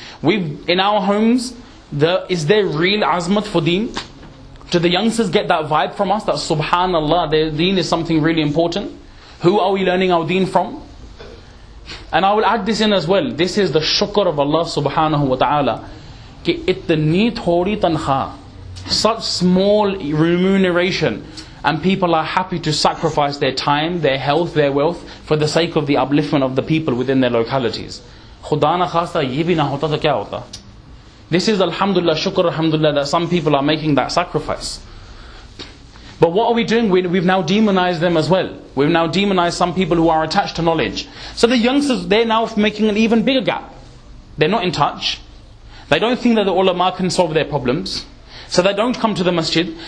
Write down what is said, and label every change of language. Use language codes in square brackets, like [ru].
[en] We've, in our homes, is there real azmat for deen? Do the youngsters get that vibe from us, that subhanallah, their deen is something really important? Who are we learning our deen from? And I will add this in as well. This is the shukr of Allah subhanahu wa ta'ala. [ur] کی اتنی تھوڑی تنخواہ. [en] Such small remuneration, and people are happy to sacrifice their time, their health, their wealth for the sake of the upliftment of the people within their localities. [ur] خدا نہ خاستہ یہ بھی نہ ہوتا تو کیا ہوتا? [en] This is alhamdulillah, shukr alhamdulillah, that some people are making that sacrifice. But what are we doing? We've now demonized them as well. We've now demonized some people who are attached to knowledge. So the youngsters, they're now making an even bigger gap. They're not in touch. They don't think that the ulama can solve their problems. So they don't come to the masjid.